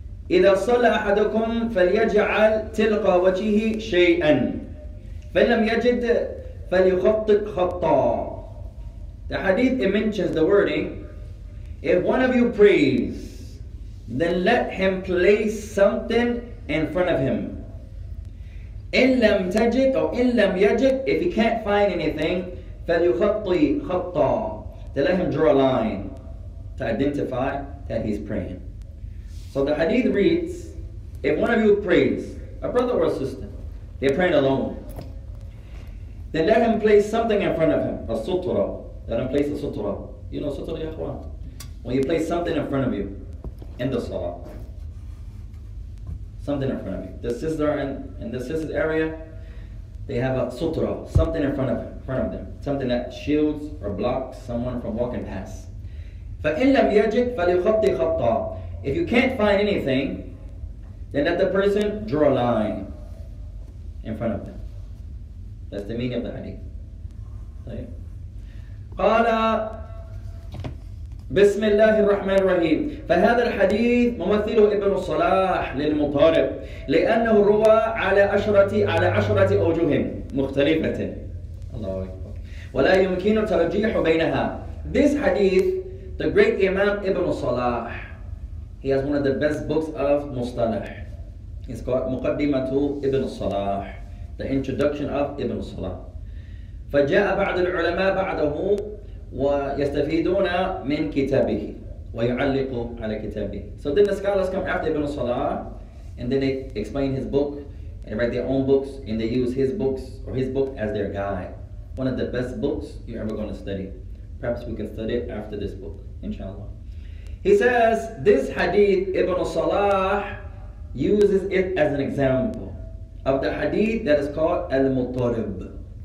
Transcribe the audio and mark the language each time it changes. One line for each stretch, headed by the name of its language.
Arabic: إذا صلى أحدكم فليجعل تلقى وجهه شيئا فلم يجد فليخطط خطا.
English: The hadith, it mentions the wording. If one of you prays, then let him place something in front of him.
Arabic: إن لم تجد أو إن لم يجد,
English: if he can't find anything,
Arabic: فليخطي خطا,
English: to let him draw a line to identify that he's praying. So the hadith reads, if one of you prays, a brother or a sister, they're praying alone, then let him place something in front of him, a sutra. Let him place a sutra. You know sutra,
Arabic: ya akhwan?
English: When you place something in front of you, in the salah, something in front of you. The sister in the sister's area, they have a sutra, something in front of them, something that shields or blocks someone from walking past.
Arabic: فَإِنْ لَمْ يَجِدْ فَلْيُخَطِّ خَطَّى.
English: If you can't find anything, then let the person draw a line in front of them. That's the meaning of the hadith.
Arabic: قَالَ بسم الله الرحمن الرحيم. فهذا الحديث ممثله ابن الصلاح للمطارب لأنه روى على عشرة أوجه مختلفة. الله أكبر. ولا يمكن ترجيح بينها.
English: This hadith, the great Imam Ibn Salah, he has one of the best books of Mustalah. It's called مقدمة ابن الصلاح, the introduction of Ibn Salah.
Arabic: فجاء بعض العلماء بعده ويستفيدون من كتابه ويعلقوا على كتابه.
English: So then the scholars come after Ibn Salah and then they explain his book and write their own books and they use his books or his book as their guide. One of the best books you're ever going to study. Perhaps we can study it after this book, inshallah. He says, this hadith, Ibn Salah uses it as an example of the hadith that is called Al-Mutarib.